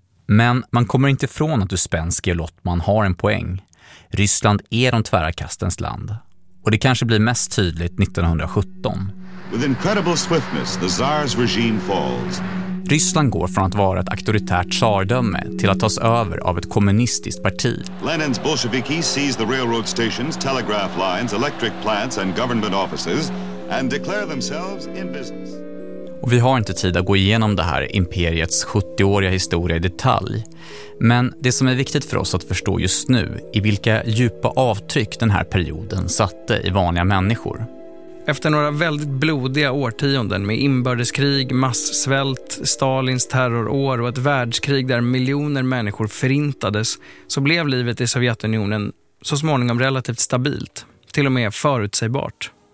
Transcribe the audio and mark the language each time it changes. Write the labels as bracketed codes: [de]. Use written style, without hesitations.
[sv] Men man kommer inte ifrån att Uspenskij och Lottman har en poäng. Ryssland är de tvära kastens land. Och det kanske blir mest tydligt 1917. [en] With incredible swiftness, the Tsar's regime falls. [sv] Ryssland går från att vara ett auktoritärt tsardöme till att tas över av ett kommunistiskt parti. [en] Lenins bolsjeviki seize the railroad stations, telegraph lines, electric plants and government offices and declare themselves in business. [sv] Och vi har inte tid att gå igenom det här imperiets 70-åriga historia i detalj. Men det som är viktigt för oss att förstå just nu är vilka djupa avtryck den här perioden satte i vanliga människor. Efter några väldigt blodiga årtionden med inbördeskrig, massvält, Stalins terrorår och ett världskrig där miljoner människor förintades, så blev livet i Sovjetunionen så småningom relativt stabilt, till och med förutsägbart.